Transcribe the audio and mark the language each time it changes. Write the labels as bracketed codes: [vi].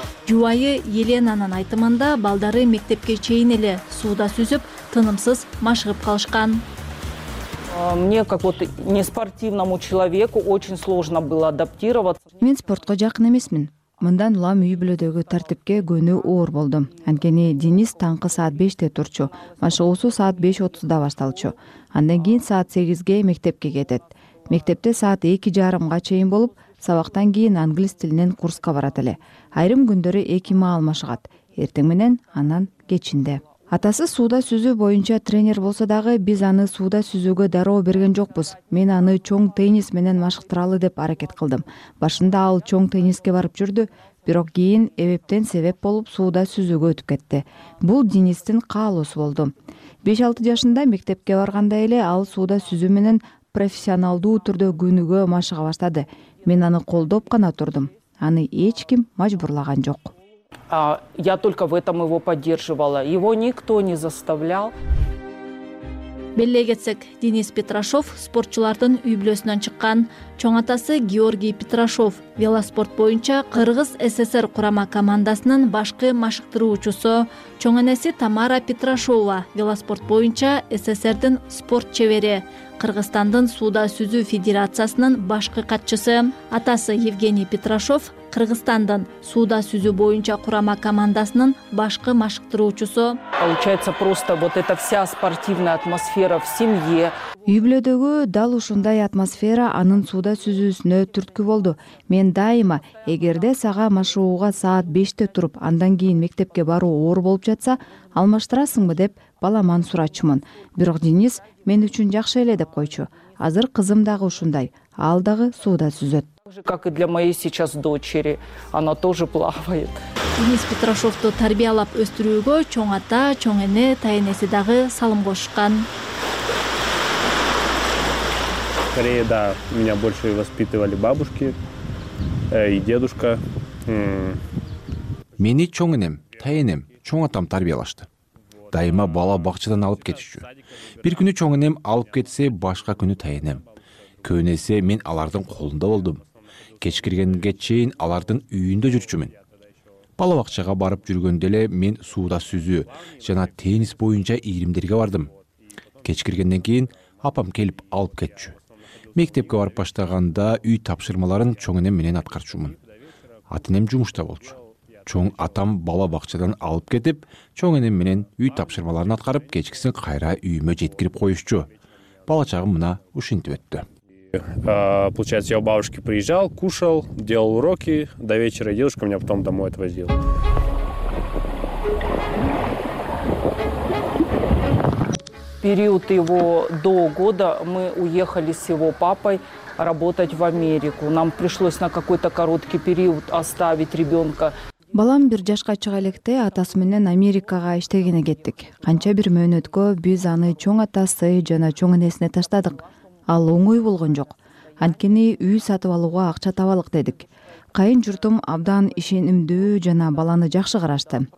[ky] Жубайы Еленанын айтымында балдары мектепке чейин эле сууда сүзүп, тынымсыз машыгып калышкан. [ru] Мне как вот неспортивному человеку очень сложно было адаптироваться. [ky] Мен спортко жакын эмесмин. Мындан улам үй бүлөдөгү тартипке көнүү оор болдум. Анткени Денис таңкы саат 5:00 турчу, машыгуусу саат 5:30 башталчу. Андан кийин саат 8:00 мектепке кетет. Мектепте саат 2:30 чейин болуп, сабактан кийин англис тилинен курска барат эле. Айрым күндөрү 2 маал машыгат. Эртең менен, анан кечинде. Атасы сууда сүзүү боюнча тренер болсо дагы, биз аны сууда сүзүүгө дароо берген жокпуз. Мен аны чоң теннис менен машыктыралы деп аракет кылдым. Башында ал чоң тенниске барып жүрдү, бирок кийин эбептен себеп болуп сууда сүзүүгө өтүп кетти. Бул Денистин каалоосу болду. 5-6 жашында мектепке барганда эле ал сууда сүзүү менен профессионалдуу түрдө күнүгө машыга баштады. Мен аны колдоп гана турдум. Аны эч ким мажбурлаган жок. [ru] Я только в этом его поддерживала. Его никто не заставлял. [ky] Белле кетсек, Денис Петрашов спортчулардын үй бүлөсүнөн чыккан, чоң атасы Георгий Петрашов велоспорт боюнча Кыргыз ССР курама командасынын башкы машыктыруучусу, чоң энеси Тамара Петрашова велоспорт боюнча ССРдин спорт чевери, Кыргызстандын сууда сүзүү федерациясынын башкы катчысы. Атасы Евгений Петрашов Кыргызстандын сууда сүзүү боюнча курама командасынын башкы машыктыруучусу. [ru] Получается просто вот эта вся спортивная атмосфера в семье. [ky] Үй бүлөдөгү дал ушундай атмосфера анын сууда сүзүүсүнө түрткү болду. Мен дайыма эгерде сага машыгууга саат 5:00 туруп, андан кийин мектепке баруу оор болуп жатса, алмаштырасыңбы деп баламан сурачумун. Бирок Денис мен үчүн жакшы эле деп койчу. Азыр кызым дагы ушундай, ал дагы сууда сүзөт. [ru] Как и для моей сейчас дочери, она тоже плавает. [ky] Денис Петрашовту тарбиялап өстүрүүгө чоң ата, чоң эне, тайэнеси дагы салым кошкан. [ru] Скорее, да, меня больше воспитывали бабушки и дедушка. [ky] Мени чоң энем, тайэнем, чоң атам тарбиялашты. Дайыма бала бакчадан алып кетишчү. Бир күнү чоң энем алып кетсе, башка күнү тайэнем. Көбүнесе мен алардын колунда болдум. Кеч киргенге чейин алардын үйүндө жүрчүмүн. Бала бакчага барып жүргөндө эле мен сууда сүзүү жана теннис боюнча ийримдерге бардым. Кеч киргенден кийин апам келип алып кетчү. Мектепке барып баштаганда үй тапшырмаларын чоң энем менен аткарчумун. Ата энем жумушта болчу. Чоң атам бала бакчадан алып кетип, чоң энем менен үй тапшырмаларын аткарып, кечкисин кайра үйүмө жеткирип коюшчу. Бала чагым мына ушинтип өттү. [ru] Получается, я у бабушки приезжал, кушал, делал уроки, до вечера дедушка меня потом домой отвозил. Период его до года мы уехали с его папой работать в Америку. Нам пришлось на какой-то короткий период оставить ребенка. [ky] Балам бир жашка чыга электе атасы менен Америкага иштегене кеттик. Канча бир мөөнөткө биз аны чоң атасы жана чоң энесине таштадык. Ал оңой болгон жок. Анткени үй сатып алууга акча табалык дедик. Кайын журтум абдан ишенимдүү жана баланы жакшы карашты.